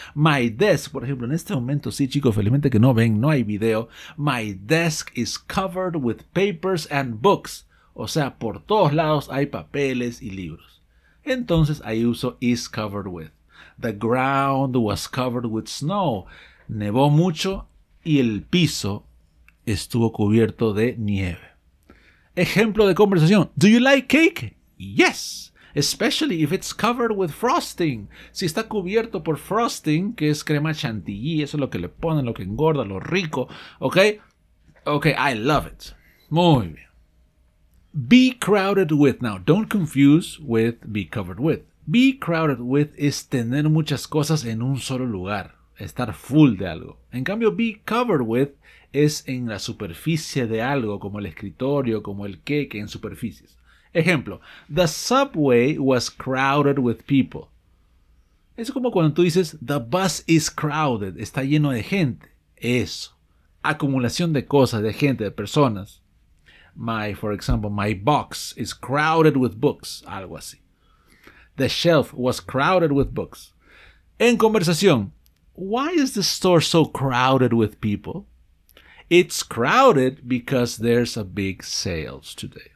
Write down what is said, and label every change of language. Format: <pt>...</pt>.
<es>My desk, por ejemplo, en este momento, sí, chicos, felizmente que no ven, no hay video.</es> <en>My desk is covered with papers and books.</en> <es>O sea, por todos lados hay papeles y libros. Entonces, ahí uso is covered with.</es> <en>The ground was covered with snow.</en> <es>Nevó mucho y el piso estuvo cubierto de nieve. Ejemplo de conversación.</es> <en>Do you like cake? Yes, especially if it's covered with frosting.</en> <es>Si está cubierto por frosting, que es crema chantilly, eso es lo que le ponen, lo que engorda, lo rico.</es> <en>¿Ok? Ok, I love it.</en> <es>Muy bien.</es> <en>Be crowded with. Now, don't confuse with be covered with.</en> <es>Be crowded with es tener muchas cosas en un solo lugar. Estar full de algo. En cambio, be covered with es en la superficie de algo, como el escritorio, como el cake, en superficies.</es> <en>Ejemplo, the subway was crowded with people.</en> <es>Es como cuando tú dices,</es> <en>the bus is crowded,</en> <es>está lleno de gente. Eso, acumulación de cosas, de gente, de personas.</es> <en>My, for example, my box is crowded with books, algo así. The shelf was crowded with books. En conversación, why is the store so crowded with people? It's crowded because there's a big sales today.</en>